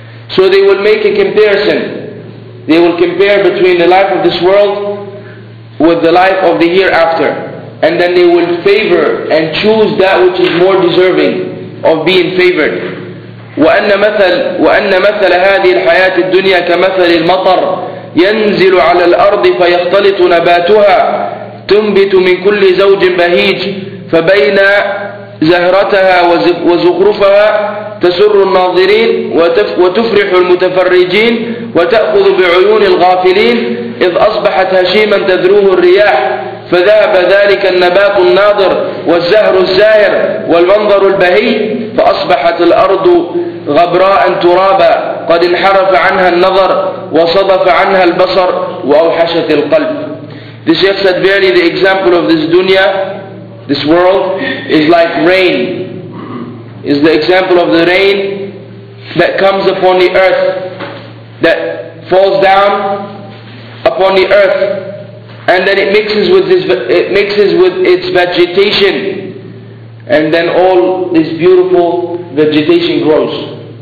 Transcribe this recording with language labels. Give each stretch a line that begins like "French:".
English: So they will make a comparison. They will compare between the life of this world with the life of the hereafter. And then they will favor and choose that which is more deserving of being favored.
Arabic: وأن مثل هذه الحياة الدنيا كمثل المطر ينزل على الأرض فيختلط نباتها تنبت من كل زوج بهيج، فبين زهرتها وزخرفها تسر الناظرين وتفرح المتفرجين وتأخذ بعيون الغافلين، إذ أصبحت هشيما تذروه الرياح، فذهب ذلك النبات الناضر والزهر الزاهر والمنظر البهي، فأصبحت الأرض غبراء ترابا قد انحرف عنها النظر وصدف عنها البصر وأوحشت القلب.
English: This is said barely the example of this dunya. This world is like rain. Is the example of the rain that comes upon the earth, that falls down upon the earth, and then it mixes with this, it mixes with its vegetation, and then all this beautiful vegetation grows.